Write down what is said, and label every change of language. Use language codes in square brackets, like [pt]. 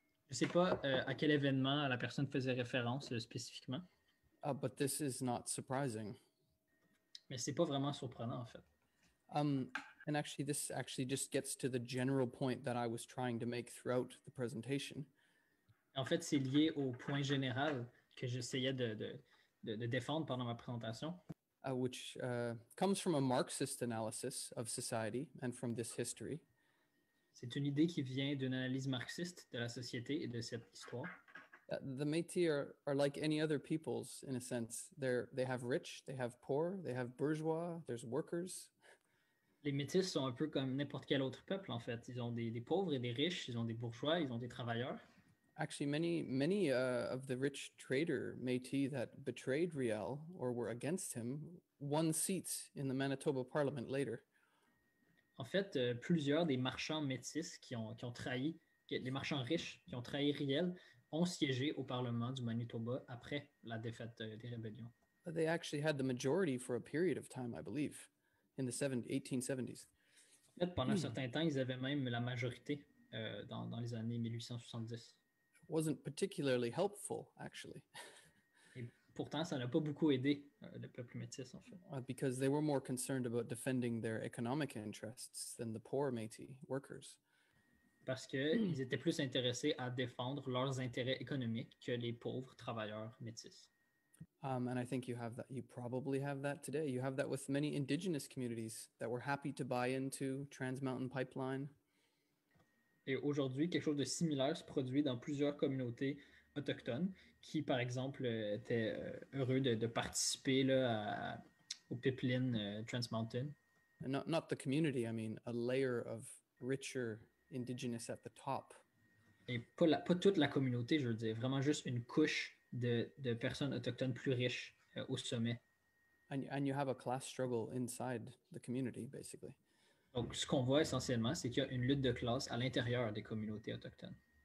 [fr] Je sais pas à quel événement la personne faisait référence spécifiquement. [en] But this is not surprising. [fr] Mais c'est pas vraiment surprenant en fait. [en] And actually, this actually just gets to the general point that I was trying to make throughout the presentation. [fr] En fait, c'est lié au point général que j'essayais de défendre pendant ma présentation. [en] Which comes from a Marxist analysis of society and from this history. [fr] C'est une idée qui vient d'une analyse marxiste de la société et de cette histoire. [en] The Métis are like any other peoples, in a sense. They have rich, they have poor, they have bourgeois, there's workers. [fr] Les Métis sont un peu comme n'importe quel autre peuple, en fait. Ils ont des pauvres et des riches, ils ont des bourgeois, ils ont des travailleurs. [en] Actually, many of the rich trader Métis that betrayed Riel or were against him won seats in the Manitoba Parliament later. [fr] En fait, plusieurs des marchands métis qui ont trahi Riel ont siégé au Parlement du Manitoba après la défaite des rébellions. [en] But they actually had the majority for a period of time, I believe, in the 1870s. [fr] En fait, pendant un certain temps, ils avaient même la majorité dans les années 1870. [en] Wasn't particularly helpful, actually. [fr] Et pourtant, ça n'a pas beaucoup aidé le peuple métis, en fait. [en] Because they were more concerned about defending their economic interests than the poor Métis workers. [fr] Parce qu'ils étaient plus intéressés à défendre leurs intérêts économiques que les pauvres travailleurs métis. [en] And I think you have that. You probably have that today. You have that with many indigenous communities that were happy to buy into Trans Mountain Pipeline. [fr] Et aujourd'hui, quelque chose de similaire se produit dans plusieurs communautés autochtones qui, par exemple, étaient heureux de participer là, au pipeline Trans Mountain. [en] Not the community, I mean, a layer of richer indigenous at the top. [fr] Et pas toute la communauté, je veux dire, vraiment juste une couche de personnes autochtones plus riches au sommet. [en] And you have a class struggle inside the community, basically. [fr] Donc, ce qu'on voit essentiellement, c'est qu'il y a une lutte de classe à l'intérieur des communautés autochtones.